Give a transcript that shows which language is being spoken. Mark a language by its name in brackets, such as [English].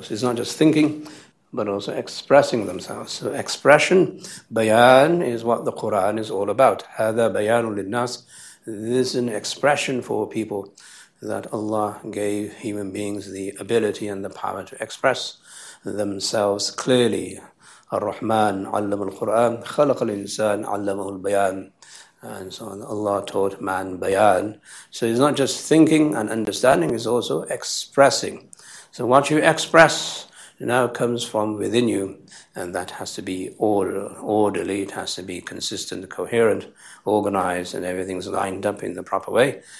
[English] So it's not just thinking, but also expressing themselves. So expression, bayān, is what the Qur'an is all about. [Arabic] هَذَا بَيَانٌ لِلنَّاسِ. [English] This is an expression for people that Allah gave human beings the ability and the power to express themselves clearly. [Arabic] الرحمن علم القرآن خلق الإنسان علمه البيان. [English] And so on. Allah taught man bayān. So it's not just thinking and understanding, it's also expressing. So what you express now comes from within you, and that has to be orderly, it has to be consistent, coherent, organized, and everything's lined up in the proper way.